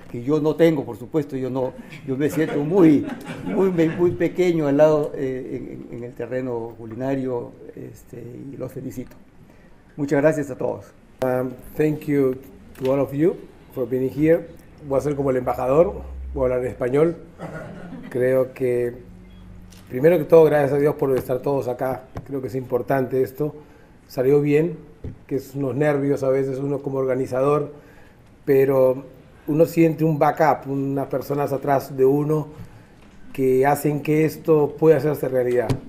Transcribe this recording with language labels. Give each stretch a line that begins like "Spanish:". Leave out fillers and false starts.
Spanish: Que yo no tengo, por supuesto, yo me siento muy, muy, muy pequeño al lado en el terreno culinario, y los felicito. Muchas gracias a todos.
English: Thank you to all of you for being here.
Spanish: Voy a ser como el embajador, voy a hablar en español. Creo que, primero que todo, gracias a Dios por estar todos acá. Creo que es importante esto. Salió bien, que es unos nervios a veces uno como organizador, pero uno siente un backup, unas personas atrás de uno que hacen que esto pueda hacerse realidad.